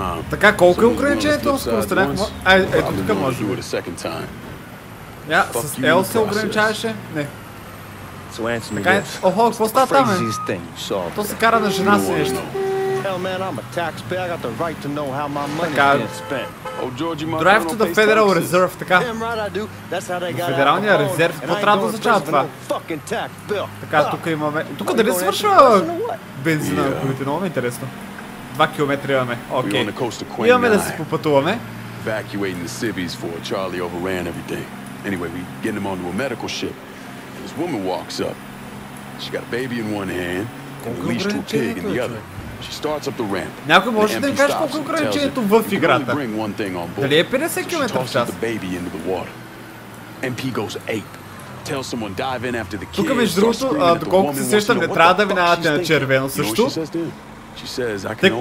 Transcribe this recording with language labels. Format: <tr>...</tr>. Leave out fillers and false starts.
<bg>Така, колко е ограничението на скоростта? Ето тук може да бъде. Я, с L се ограничаваше? Не. Така, охо, какво става там, е? То се кара на жена си нещо.</bg> <en>Hell, man, I'm a taxpayer. I got the right to know how my money gets spent. Oh, Georgie, my drive to the Federal taxes. Reserve, така. Damn right I do. That's how they got</en> <bg>Федералния резерв, какво трябва да означава това? Така, тук имаме... Тук дали свършва бензина на колите? Много ме интересно. 2 км имаме. Окей. Okay. Имаме да се попътуваме.</bg> <en>Evacuating the civvies for Charlie overran everything. Anyway, we get him onto a medical ship. And this woman walks up. She got a baby in one hand and a leash to a pig in the other. She starts up the ramp.</en> <bg>Някой може да ми каже колко ограничението в играта? Дали е 50 км в час?</bg> <en>The baby into the water. MP goes ape. Tell someone dive in after the kid.</en> <bg>Тука между другото, доколкото се сещам, не трябва да минавате на червено също.</bg> <en>She says I can't.</en>